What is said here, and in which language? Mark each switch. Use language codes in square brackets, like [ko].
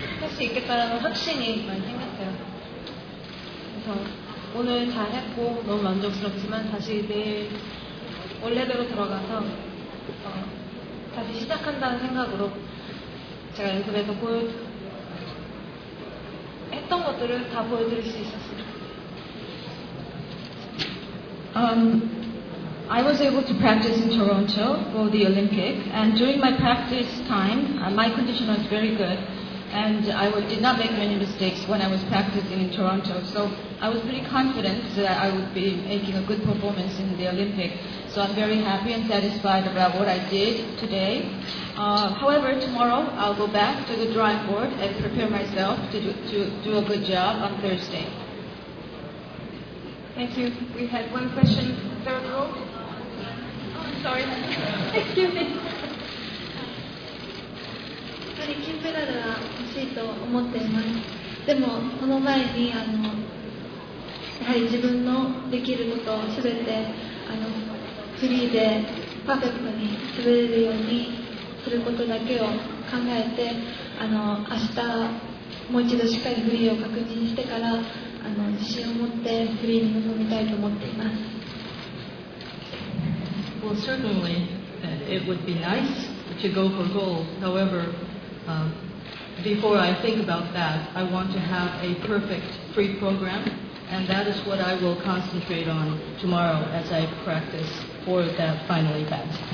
[ko] 수 있겠다라는 확신이 많이 생겼어요. 그래서 오늘 다 했고 너무 만족스럽지만 다시 내일 원래대로 들어가서 다시 시작한다는 생각으로 제가 연습해서 했던 것들을 다 보여드릴 수 있었습니다. [en] I was able to practice in Toronto for the Olympic, and during my practice time, my condition was very good, and I did not make many mistakes when I was practicing in Toronto, so I was pretty confident that I would be making a good performance in the Olympic, so I'm very happy and satisfied about what I did today. However, tomorrow I'll go back to the drawing board and prepare myself to do a good job on Thursday. Thank you. We had one question, third row. Oh, I'm sorry. Excuse me. [ja] 本当に金メダルは欲しいと思っています。でもその前にやはり自分のできることをすべてフリーでパーフェクトに滑れるようにすることだけを考えて明日もう一度しっかりフリーを確認してから。 [en] Well, certainly it would be nice to go for gold. However, before I think about that, I want to have a perfect free program, and that is what I will concentrate on tomorrow as I practice for that final event.